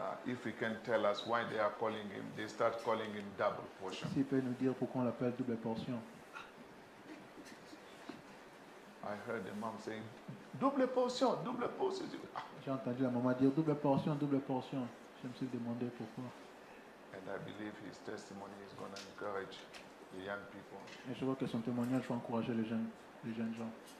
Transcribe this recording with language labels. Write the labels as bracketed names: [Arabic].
[English] If he can tell us why they are calling him, they start calling him double portion. [French] S'il peut nous dire pourquoi on l'appelle double portion. [English] I heard the mom saying, double portion, double portion. [French] J'ai entendu la maman dire double portion, double portion. Je me suis demandé pourquoi. [English] And I believe his testimony is going to encourage the young people. [French] Et je vois que son témoignage va encourager les jeunes gens.